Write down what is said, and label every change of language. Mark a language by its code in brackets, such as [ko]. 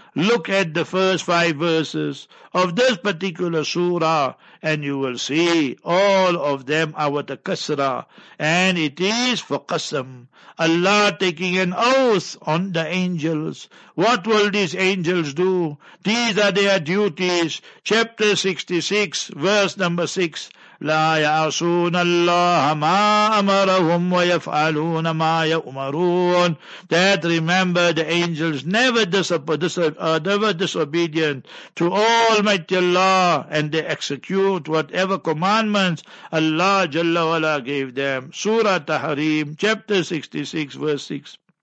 [en] Look at the first five verses of this particular surah, and you will see all of them are with a kasra, and it is for qasam. Allah taking an oath on the angels. What will these angels do? These are their duties. Chapter 66, verse number 6. [ar] لا يعصون الله ما أمرهم ويفعلون ما يأمرون. [en] That, remember, the angels never disobedient to Almighty Allah, and they execute whatever commandments Allah Jalla Wala gave them. Surah Tahrim, chapter 66, verse 6.